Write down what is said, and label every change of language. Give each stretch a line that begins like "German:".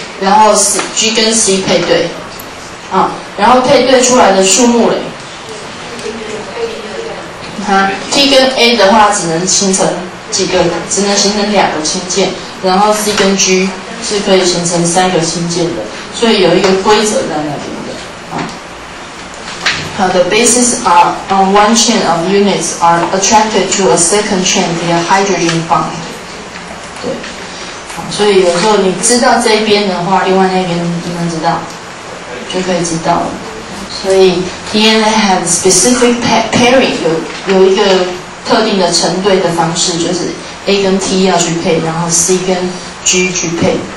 Chinese: 然后 G 跟 C 配对，啊，然后配对出来的数目嘞，啊 ，T 跟 A 的话只能形成几个，只能形成两个氢键，然后 C 跟 G 是可以形成三个氢键的，所以有一个规则在那边的，啊。
English: 好 ，the bases are on one chain of units are attracted to a second chain via hydrogen bond， 对。
Chinese: 所以有时候你知道这边的话，另外那边就能知道，就可以知道了。所以
English: DNA have specific pairing，
Chinese: 有一个特定的成对的方式，就是 A 跟 T 要去配，然后 C 跟 G 去配。